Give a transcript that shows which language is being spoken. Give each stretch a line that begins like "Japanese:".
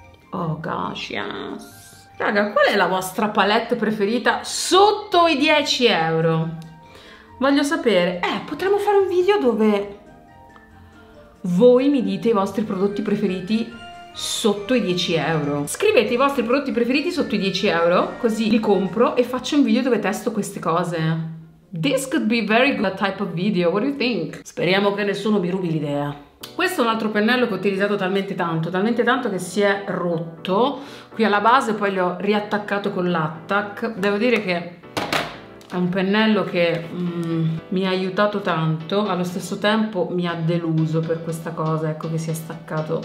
English: Oh gosh, yes.
Italian: Raga, qual è la vostra palette preferita sotto i 10 euro? Voglio sapere. Potremmo fare un video dove... voi mi dite i vostri prodotti preferiti sotto i 10 euro. Scrivete i vostri prodotti preferiti sotto i 10 euro, così li compro e faccio un video dove testo queste cose.
English: This could be very good type of video, what do you think?
Italian: Speriamo che nessuno mi rubi l'idea. Questo è un altro pennello che ho utilizzato talmente tanto che si è rotto qui alla base, poi l'ho riattaccato con l'attac. Devo dire che è un pennello che mi ha aiutato tanto, allo stesso tempo mi ha deluso per questa cosa, ecco che si è staccato.